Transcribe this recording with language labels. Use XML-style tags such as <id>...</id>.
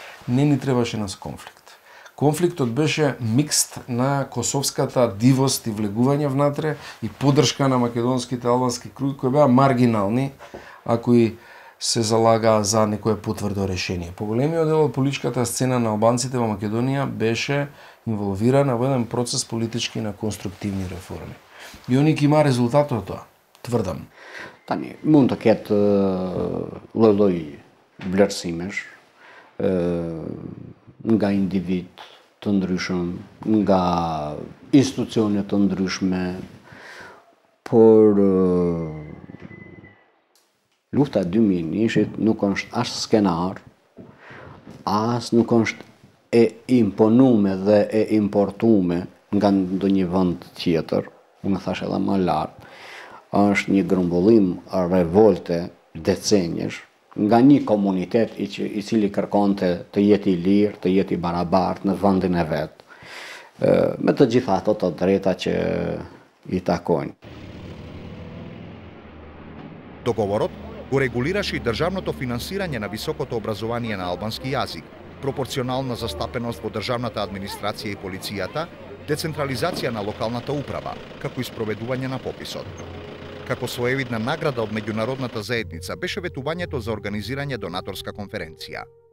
<mk>Не ни требаше нас конфликт. Конфликтот беше микст на косовската дивост и влегување внатре и подршка на македонските албански круги, кои беа маргинални, ако и се залагаа за некое потврдо решение. Поголемиот дел од политичката сцена на албанците во Македонија беше инволвирана во еден процес политички на конструктивни реформи. И они ке има резултат од тоа, тврдам.</mk> <sq>Тани, мунтакет лелој блерсимеш, nga individ të ndryshëm, nga institucionet të ndryshme, por lufta 2001-shit nuk është as skenar, as nuk është e imponume dhe e importume nga ndonjë vend tjetër, më thash edhe më lartë, është një grumbullim revolte decenjesh, nga një komunitet i cili kërkonte të jetë i lirë, të jetë i barabartë në vendin e vetë, me të gjitha ato të drejta që i takojnë.</sq> <mk>Договорот го регулираше и државното финансирање на високото образование на албански јазик, пропорционална застапеност во државната администрација и полицијата, децентрализација на локалната управа, како и спроведување на пописот. Како своевидна награда од меѓународната заедница беше ветувањето за организирање донаторска конференција.</mk>